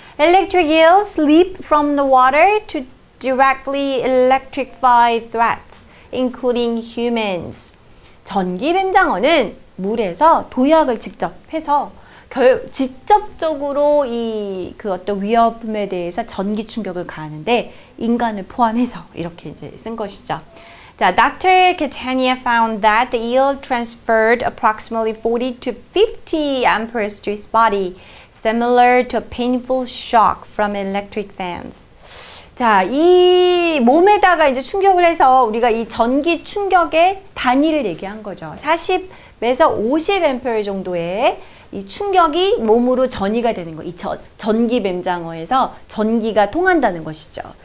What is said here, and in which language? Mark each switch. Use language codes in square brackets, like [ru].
[en] Electric eels leap from the water to directly electrify threats, including humans. [ko] 전기뱀장어는 물에서 도약을 직접 해서 직접적으로 이 그 어떤 위험에 대해서 전기 충격을 가하는데 인간을 포함해서 이렇게 이제 쓴 것이죠. 자, Dr. [en] Catania found that the eel transferred approximately 40 to 50 amperes to his body, similar to a painful shock from electric fans. [ko] 자, 이 몸에다가 이제 충격을 해서 우리가 이 전기 충격의 단위를 얘기한 거죠. 40에서 50 amperes 정도의 이 충격이 몸으로 전이가 되는 거, 이 전기 맴장어에서 전기가 통한다는 것이죠.